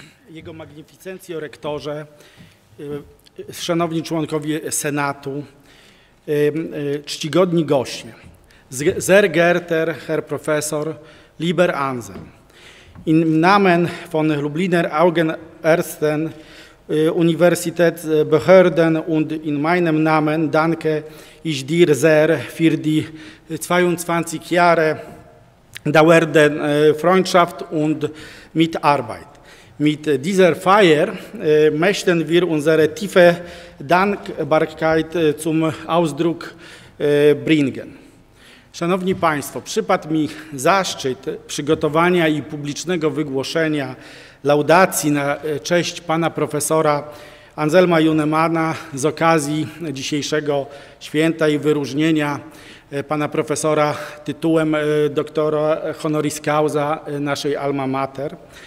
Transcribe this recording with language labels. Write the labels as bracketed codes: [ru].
[pl] Jego magnificencjo rektorze, szanowni członkowie Senatu, czcigodni goście. [de] Sehr geehrter Herr Professor, lieber Ansel, im Namen von Lubliner Augenärzten Universitätsbehörden und in meinem Namen danke ich dir sehr für die 22 Jahre dauernde Freundschaft und Mitarbeit. Mit dieser Feier möchten wir unsere tiefe Dankbarkeit zum Ausdruck bringen. [pl] Szanowni Państwo, przypadł mi zaszczyt przygotowania i publicznego wygłoszenia laudacji na cześć pana profesora Anselma Junemanna z okazji dzisiejszego święta i wyróżnienia pana profesora tytułem doktora honoris causa naszej Alma Mater.